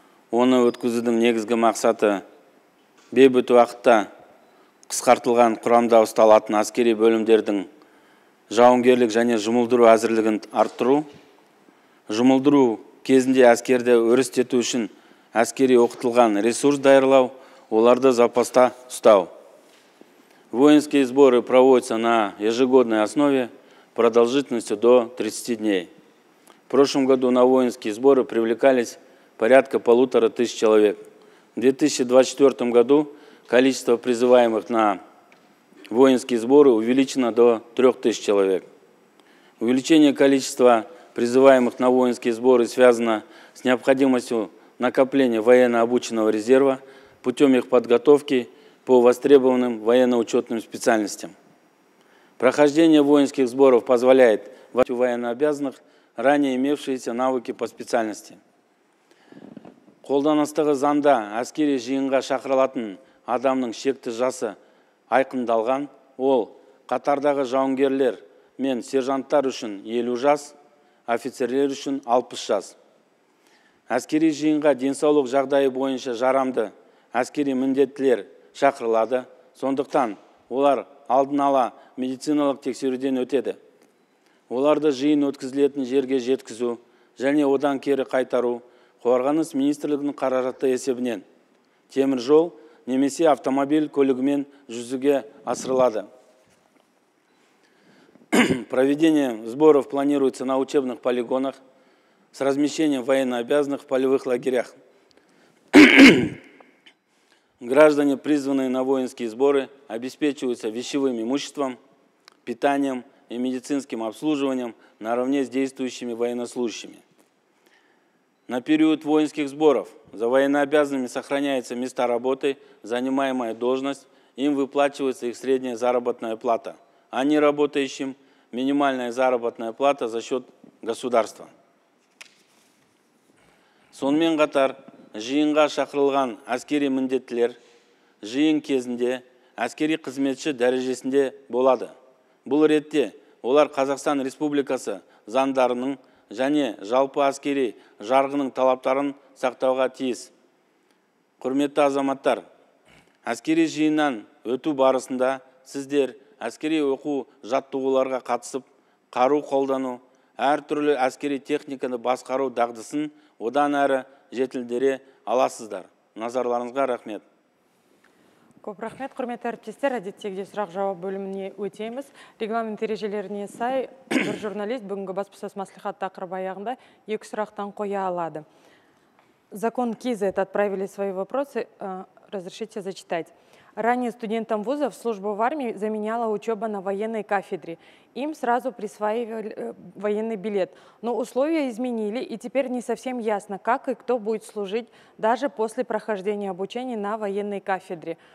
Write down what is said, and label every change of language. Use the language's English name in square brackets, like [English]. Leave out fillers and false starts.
[Kazakh] Оны өткізудің негізгі мақсаты бейбіт уақытта қысқартылған құрамда ұсталатын әскери бөлімдердің жауынгерлік және жұмылдыру әзірлігін арттыру. Жұмылдыру кезінде әскерді өрістету үшін әскери оқытылған ресурс дайырлау, оларды запаста ұстау. [Russian] Воинские сборы проводятся на ежегодной основе продолжительностью до 30 дней. В прошлом году на воинские сборы привлекались порядка 1500 человек. В 2024 году количество призываемых на воинские сборы увеличено до 3000 человек. Увеличение количества призываемых на воинские сборы связано с необходимостью накопления военно-обученного резерва путем их подготовки по востребованным военно-учетным специальностям. Прохождение воинских сборов позволяет у военнообязанных ранее имевшиеся навыки по специальности. [Kazakh] Қолданыстығы занда әскери жиынға шақырылатын адамның шекті жасы айқындалған, ол қатардағы жауынгерлер мен сержанттар үшін 50 жас, офицерлер үшін 60 жас. Әскери жиынға денсаулық жағдайы бойынша жарамды әскери міндеттілер шақырылады, сондықтан олар алдын ала медициналық тексеруден өтеді. Оларды жиын өткізілетін жерге жеткізу және одан кері қайтару қорғаныс министрлігінің қаражаты есебінен темір жол немесе автомобиль көлігімен жүзеге асырылады. Проведение сборов планируется на учебных полигонах с размещением военнообязанных в полевых лагерях. Граждане, призванные на воинские сборы, обеспечиваются вещевым имуществом, питанием и медицинским обслуживанием наравне с действующими военнослужащими. На период воинских сборов за военнообязанными сохраняются места работы, занимаемая должность, им выплачивается их средняя заработная плата, а не работающим минимальная заработная плата за счет государства. Сонымен қатар, жиынға шақырылған әскери міндеттілер жиын кезінде әскери қызметші дәрежесінде болады. Бұл ретте олар Қазақстан Республикасы заңдарының және жалпы әскери жарғының талаптарын сақтауға тиіс. Құрметті азаматтар, әскери жиыннан өту барысында сіздер әскери оқу жаттығуларға қатысып, қару қолдану, әр түрлі әскери техниканы басқару дағдысын одан әрі жетілдіре аласыздар. Назарларыңызға рахмет. Көп рахмет, құрметті әріптестер, әдеттегідей сұрақ-жауап бөліміне өтеміз. Регламент ережелеріне сай бір журналист бүгінгі баспасөз мәслихат тақырыбы аяғында екі сұрақтан қоя алады. [Russian] Закон КИЗЭТ отправили свои вопросы, разрешите зачитать. Ранее студентам вузов служба в армии заменяла учеба на военной кафедре. Им сразу присваивали военный билет. Но условия изменили, и теперь не совсем ясно, как и кто будет служить даже после прохождения обучения на военной кафедре.